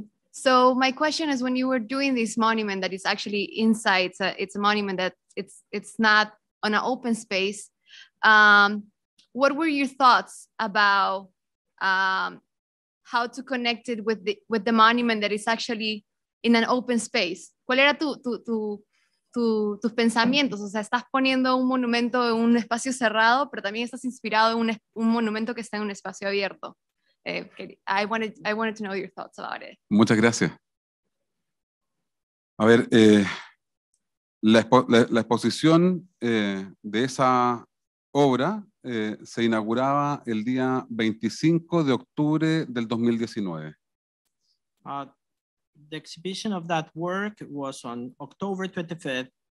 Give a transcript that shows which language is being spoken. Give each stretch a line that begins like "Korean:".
English: So my question is, when you were doing this monument that is actually inside, it's a monument that it's not on an open space, what were your thoughts about how to connect it with the monument that is actually in an open space?
Spanish: ¿Cuál era tus pensamientos? O sea, estás poniendo un monumento en un espacio cerrado, pero también estás inspirado en un monumento que está en un espacio abierto.
English: I wanted to know your thoughts about it.
Spanish: Muchas gracias. A ver, la exposición de esa obra se inauguraba el día 25 de octubre del 2019.
English: The exhibition of that work was on October 25th.